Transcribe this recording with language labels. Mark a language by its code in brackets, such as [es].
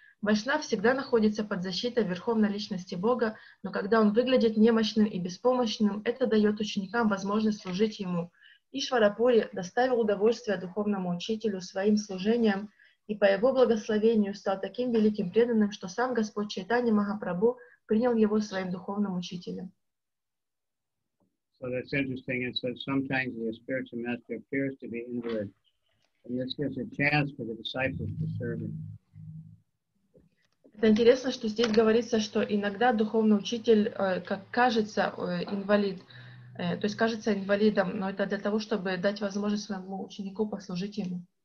[ru] Вайшнав всегда находится под защитой Верховной Личности Бога, но когда он выглядит немощным и беспомощным, это дает ученикам возможность служить ему. Ишвара Пури доставил удовольствие духовному учителю своим служением, и по его благословению стал таким великим преданным, что сам Господь Чайтанья Махапрабху принял его своим духовным учителем. [en] So that's interesting. It says sometimes the spiritual master appears to be invalid, and this gives a chance for the disciples to serve him. [ru] Это интересно, что здесь говорится, что иногда духовный учитель, как кажется, инвалид, то есть кажется инвалидом, но это для того, чтобы дать возможность своему ученику послужить ему.